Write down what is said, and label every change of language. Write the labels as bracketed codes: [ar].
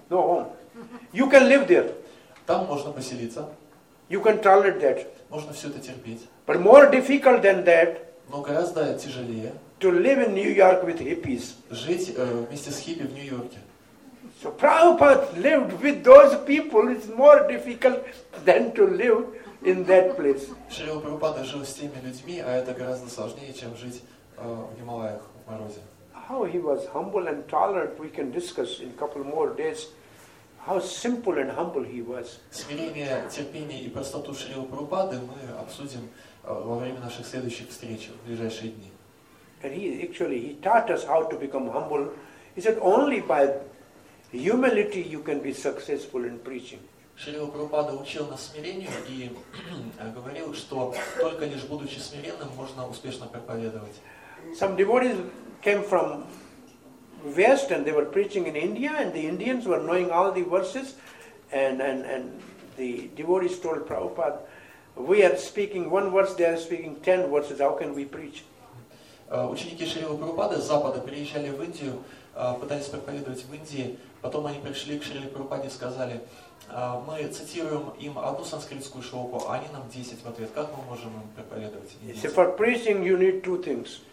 [en] No home. You can live there. [ru] Там можно поселиться. [en] You can tolerate that. [ru] Можно все это терпеть. [en] But more difficult than that. [ru] Но гораздо тяжелее. [en] To live in New York with hippies. [ru] Жить вместе с хиппи в Нью-Йорке. [en] So Prabhupada lived with those people. It's more difficult than to live in that place. [ru] Шрила Прабхупада жил с теми людьми, а это гораздо сложнее, чем жить в Гималаях в морозе. [en] How he was humble and tolerant, we can discuss in a couple more days. How simple and humble he was. [ru] Смирение, терпение и простоту Шрилы Прабхупады мы обсудим во время наших следующих встреч в ближайшие дни. [en] And he taught us how to become humble. He said only by humility you can be successful in preaching. [ru] Шрила Прабхупада учил нас смирению и говорил, что только лишь будучи смиренным можно успешно проповедовать. [en] Some devotees came from West and they were preaching in India and the Indians were knowing all the verses and the devotees told Prabhupada, we are speaking one verse, they are speaking 10 verses, how can we preach? [ru] Ученики Шрилы Прабхупады с запада приезжали в Индию, пытались проповедовать в Индии, потом они пришли к Шриле Прабхупаде и сказали, мы цитируем им одну санскритскую шлоку, а они нам 10 в ответ, как мы можем им проповедовать? [en] For preaching you need two things.